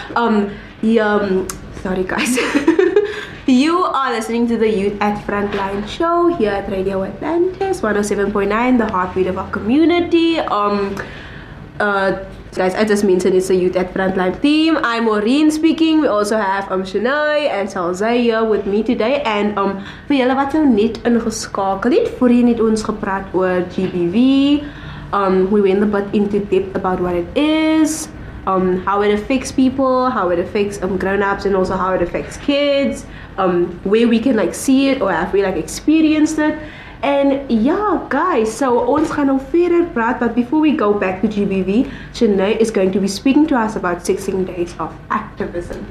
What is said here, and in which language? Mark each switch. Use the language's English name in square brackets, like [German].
[English] Sorry, guys. You are listening to the Youth at Frontline show here at Radio Atlantis 107.9, the heartbeat of our community. Guys, I just mentioned it's a Youth at Frontline team. I'm Maureen speaking. We also have Shanae and Salzay here with me today. [Afrikaans] And vir julle wat nou net ingeskakel het, voorheen het ons gepraat oor GBV. [English] We went a bit into depth about what it is, how it affects people, how it affects grown-ups, and also how it affects kids, where we can like see it or have we like experienced it. And yeah, guys, so [Afrikaans] ons gaan nou verder praat, [English] but before we go back to GBV, Shanae is going to be speaking to us about 16 days of activism.